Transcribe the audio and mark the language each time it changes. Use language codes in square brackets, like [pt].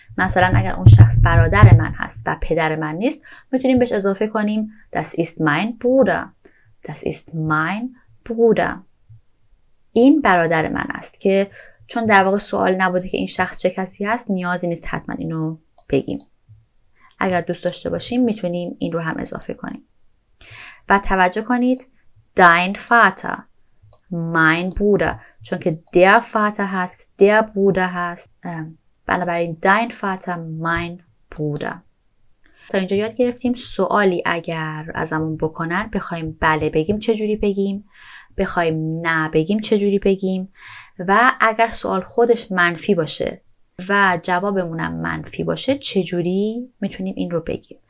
[fa] مثلا اگر اون شخص برادر من هست و پدر من نیست میتونیم بهش اضافه کنیم [de] das ist mein Bruder، das ist mein Bruder، [fa] این برادر من است، که چون در واقع سوال نبوده که این شخص چه کسی هست نیازی نیست حتما اینو بگیم. اگر دوست داشته باشیم میتونیم این رو هم اضافه کنیم. و توجه کنید [de] dein Vater، mein Bruder، [fa] چون که der Vater هست، der Bruder هست، بنابراین dein Vater، mein Bruder. تا اینجا یاد گرفتیم سوالی اگر ازمون بکنن بخوایم بله بگیم چجوری بگیم، بخوایم نه بگیم چجوری بگیم، و اگر سوال خودش منفی باشه و جوابمونم منفی باشه چجوری میتونیم این رو بگیم.